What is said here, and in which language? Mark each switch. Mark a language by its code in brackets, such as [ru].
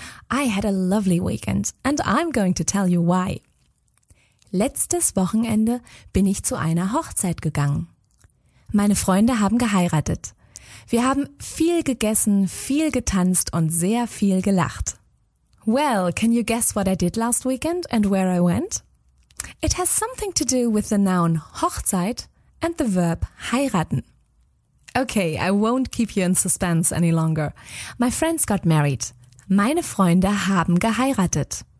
[en] I had a lovely weekend and I'm going to tell you why. [de] Letztes Wochenende bin ich zu einer Hochzeit gegangen. Meine Freunde haben geheiratet. Wir haben viel gegessen, viel getanzt und sehr viel gelacht. [en] Well, can you guess what I did last weekend and where I went? It has something to do with the noun Hochzeit and the verb heiraten. Okay, I won't keep you in suspense any longer. My friends got married. [de] Meine Freunde haben geheiratet.